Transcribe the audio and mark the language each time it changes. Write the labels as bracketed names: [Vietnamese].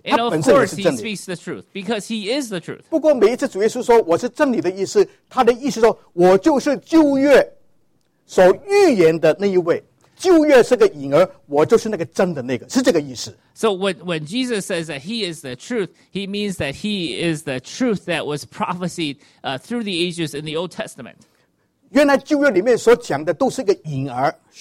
[English] and of course he speaks the truth, because he is the truth. [Chinese] 不过每一次主耶稣说我是真理的意思, 他的意思说我就是旧约所预言的那一位, 旧约是个影儿, 我就是那个真的那个, 是这个意思。 [English] So when Jesus says that he is the truth, he means that he is the truth that was prophesied through the ages in the Old Testament. [Chinese] 原来旧约里面所讲的都是个影儿,